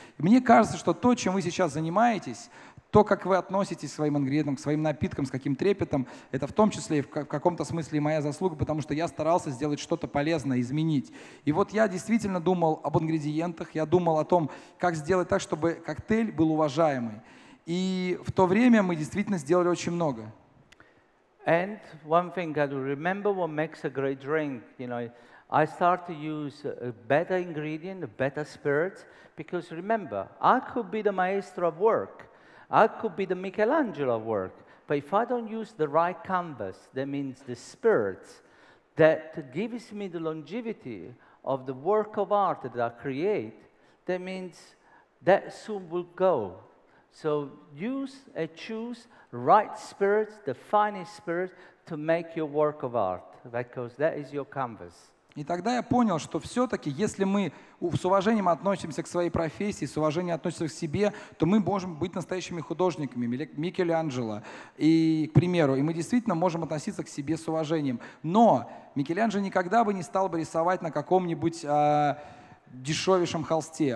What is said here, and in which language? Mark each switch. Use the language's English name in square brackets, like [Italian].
[Russian] Мне кажется, что то, чем вы сейчас занимаетесь, то, как вы относитесь к своим ингредиентам, к своим напиткам, с каким трепетом, это в том числе и в каком-то смысле моя заслуга, потому что я старался сделать что-то полезное, изменить. И вот я действительно думал об ингредиентах, я думал о том, как сделать так, чтобы коктейль был уважаемый. И в то время мы действительно сделали очень много. [English] And one thing I do remember what makes a great drink, you know, I start to use a better ingredient, a better spirit, because remember, I could be the maestro of work. I could be the Michelangelo work, but if I don't use the right canvas, that means the spirit that gives me the longevity of the work of art that I create, that means that soon will go. So use and choose right spirit, the finest spirit, to make your work of art, because that is your canvas. [Russian] И тогда я понял, что все-таки, если мы с уважением относимся к своей профессии, с уважением относимся к себе, то мы можем быть настоящими художниками, Микеланджело, и, к примеру, и мы действительно можем относиться к себе с уважением. Но Микеланджело никогда бы не стал бы рисовать на каком-нибудь дешевейшем холсте.